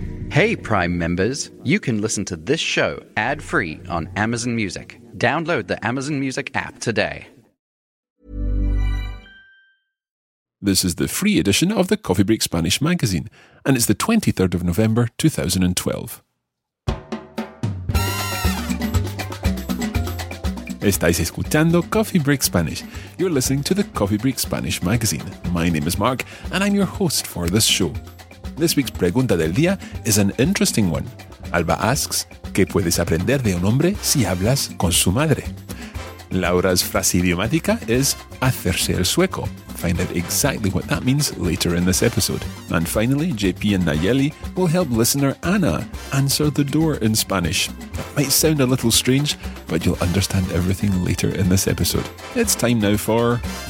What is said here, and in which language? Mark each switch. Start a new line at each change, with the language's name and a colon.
English: Hey, Prime members, you can listen to this show ad-free on Amazon Music. Download the Amazon Music app today. This is the free edition of the Coffee Break Spanish magazine, and it's the 23rd of November, 2012.
Spanish: Estáis escuchando Coffee Break Spanish.
English: You're listening to the Coffee Break Spanish magazine. My name is Mark, and I'm your host for this show. This week's Pregunta del Día is an interesting one. Alba asks,
Spanish: ¿qué puedes aprender de un hombre si hablas con su madre? Laura's frase idiomática is hacerse el sueco.
English: Find out exactly what that means later in this episode. And finally, JP and Nayeli will help listener Anna answer the door in Spanish. That might sound a little strange, but you'll understand everything later in this episode. It's time now for...